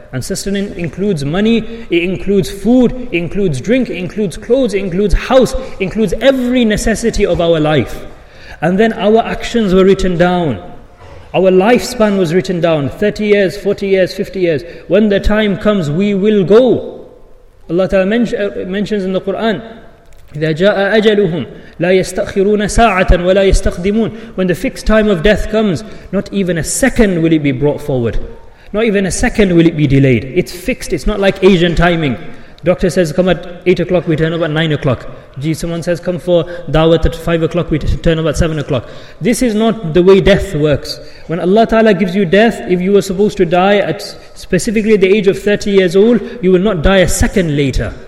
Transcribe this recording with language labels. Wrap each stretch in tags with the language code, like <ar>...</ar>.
<en>And sustenance includes money, it includes food, it includes drink, it includes clothes, it includes house, it includes every necessity of our life. And then our actions were written down. Our lifespan was written down, 30 years, 40 years, 50 years. When the time comes, we will go. Allah Ta'ala mentions in the Quran,</en> <ar>إذا جاء أجلهم لا يستأخرون ساعة ولا يستخدمون.</ar> <en>When the fixed time of death comes, not even a second will it be brought forward. Not even a second will it be delayed. It's fixed, it's not like Asian timing. Doctor says come at 8 o'clock, we turn up at 9 o'clock. Someone says come for dawah at 5 o'clock, we turn up at 7 o'clock. This is not the way death works. When Allah Ta'ala gives you death, if you were supposed to die at specifically the age of 30 years old, you will not die a second later.</en>